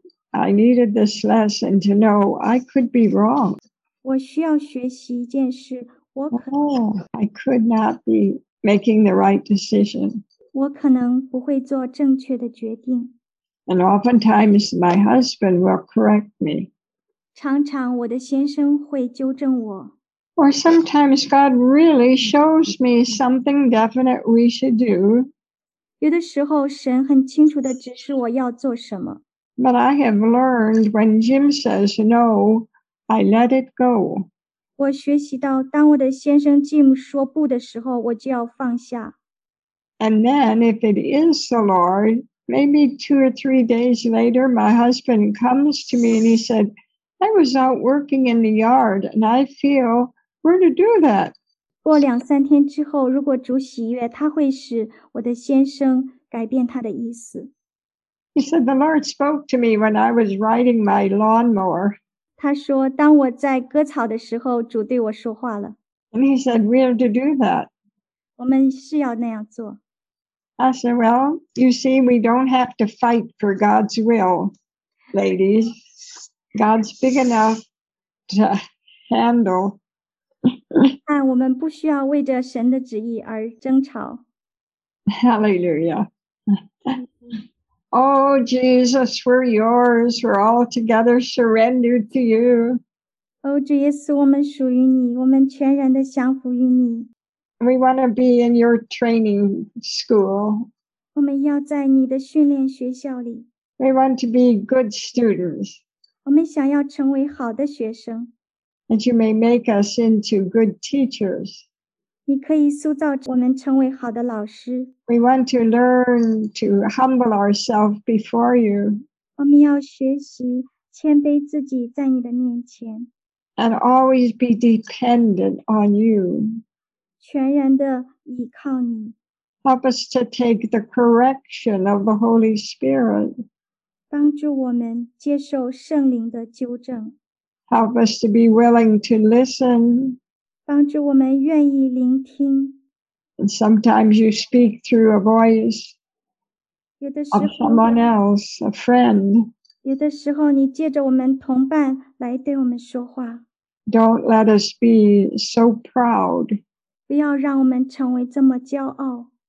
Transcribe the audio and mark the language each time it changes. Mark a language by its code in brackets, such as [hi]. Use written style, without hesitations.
[en] I needed this lesson to know I could be wrong. [zh] 我需要学习一件事，我可能。 [en] Oh, I could not be making the right decision. [zh] 我可能不会做正确的决定。 [en] And oftentimes my husband will correct me. [zh] 常常我的先生会纠正我。 [en] Or sometimes God really shows me something definite we should do. [zh] 有的时候神很清楚地指示我要做什么。 [en] But I have learned when Jim says no, I let it go. [zh] 我学习到当我的先生 Jim 说不的时候，我就要放下。 [en] And then if it is the Lord, maybe two or three days later, my husband comes to me and he said, I was out working in the yard and I feel we're to do that. [zh] 过两三天之后，如果主喜悦，他会使我的先生改变他的意思。 [en] He said, the Lord spoke to me when I was riding my lawnmower. [zh] 他说，当我在割草的时候，主对我说话了。 [en] And he said, we are to do that. [zh] 我们是要那样做。 [en] I said, well, you see, we don't have to fight for God's will, ladies. God's big enough to handle. [zh] 但我们不需要为着神的旨意而争吵。 [en] Hallelujah. Oh, Jesus, we're yours. We're all together surrendered to you. [zh] Oh, 主耶稣，我们属于你，我们全然的降服于你。 [en] We want to be in your training school. [zh] 我们要在你的训练学校里。 [en] We want to be good students. [zh] 我们想要成为好的学生。 [en] That you may make us into good teachers. [zh] 你可以塑造我们成为好的老师。 [en] We want to learn to humble ourselves before you. [zh] 我们要学习谦卑自己在你的面前。 [en] And always be dependent on you. [zh] 全然的依靠你。 [en] Help us to take the correction of the Holy Spirit. [zh] 帮助我们接受圣灵的纠正。 [en] Help us to be willing to listen. [zh] 帮助我们愿意聆听。 [en] And sometimes you speak through a voice [zh] 有的时候, [en] of someone else, a friend. [zh] 有的时候你借着我们同伴来对我们说话。 [en] Don't let us be so proud. [zh] 不要让我们成为这么骄傲。